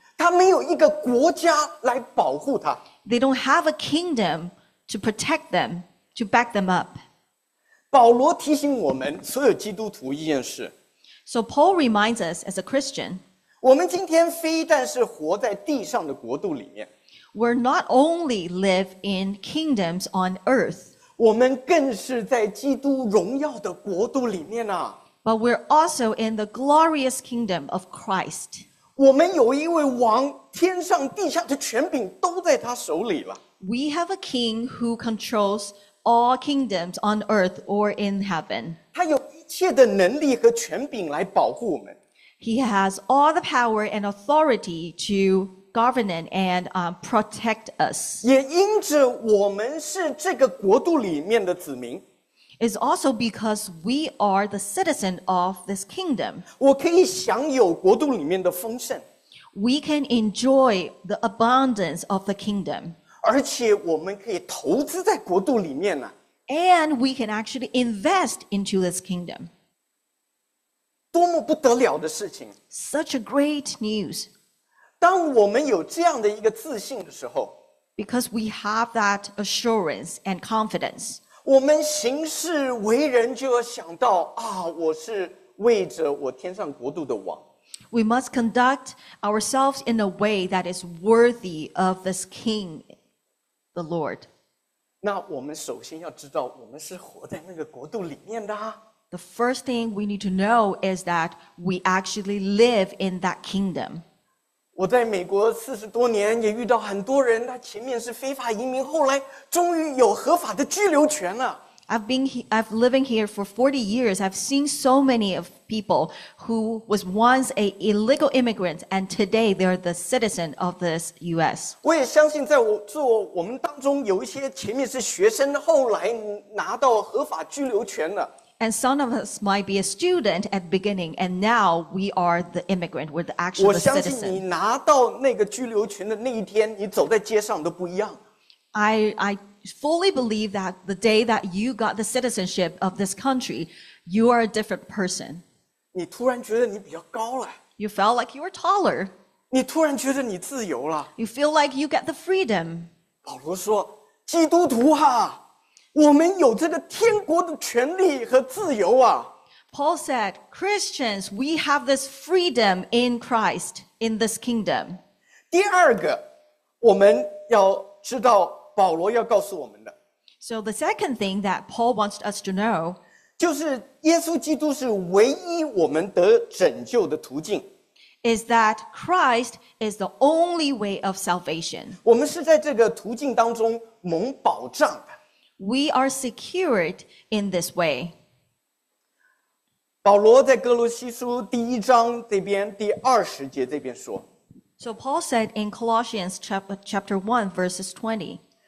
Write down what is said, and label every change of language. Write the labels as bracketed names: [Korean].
[Chinese] 他没有一个国家来保护他。 [English] They don't have a kingdom to protect them, to back them up. [Chinese] 保罗提醒我们所有基督徒一件事。 [English] So Paul reminds us as a Christian, [Chinese] 我们今天非但是活在地上的国度里面。 [English] We're not only live in kingdoms on earth, [Chinese] 我们更是在基督荣耀的国度里面啊。 [English] But we're also in the glorious kingdom of Christ. [Chinese] 我们有一位王，天上地下的权柄都在他手里了。 [English] We have a king who controls all kingdoms on earth or in heaven. [Chinese] 他有一切的能力和权柄来保护我们。 [English] He has all the power and authority to govern and protect us. [Chinese] 也因着我们是这个国度里面的子民。 [English] Is also because we are the citizen of this kingdom. [Chinese] 我可以享有国度里面的丰盛。 [English] We can enjoy the abundance of the kingdom. [Chinese] 而且我们可以投资在国度里面呢。 [English] And we can actually invest into this kingdom. [Chinese] 多么不得了的事情。 [English] Such a great news. [Chinese] 当我们有这样的一个自信的时候。 [English] Because we have that assurance and confidence. [Chinese] 我们行事为人就要想到啊，我是为着我天上国度的王。 [English] We must conduct ourselves in a way that is worthy of this King, the Lord. [Chinese] 那我们首先要知道，我们是活在那个国度里面的、啊。 [English] The first thing we need to know is that we actually live in that kingdom. [Chinese] 我在美国四十多年，也遇到很多人，他前面是非法移民，后来终于有合法的居留权了。 [English] I've living here for 40 years. I've seen so many of people who was once an illegal immigrant, and today they're the citizen of this U.S. [Chinese] 我也相信，在我们当中有一些前面是学生，后来拿到合法居留权了。 [English] And some of us might be a student at the beginning, and now we are the immigrant, we're the actual citizen. [Chinese] 我相信你拿到那个居留权的那一天，你走在街上都不一样。 [English] I fully believe that the day that you got the citizenship of this country, you are a different person. [Chinese] 你突然觉得你比较高了。 [English] You felt like you were taller. [Chinese] 你突然觉得你自由了。 [English] You feel like you get the freedom. [Chinese] 保罗说，基督徒啊。我们有这个天国的权利和自由啊。 [English] Paul said, Christians, we have this freedom in Christ, in this kingdom. [Chinese] 第二个，我们要知道保罗要告诉我们的。 [English] So the second thing that Paul wants us to know, [Chinese] 就是耶稣基督是唯一我们得拯救的途径。 [English] Is that Christ is the only way of salvation. [Chinese] 我们是在这个途径当中蒙保障的。 [English] We are secured in this way. [Chinese] 保罗在哥罗西书第一章这边第二十节这边说。 [English] So Paul said in Colossians chapter 1 verses 20.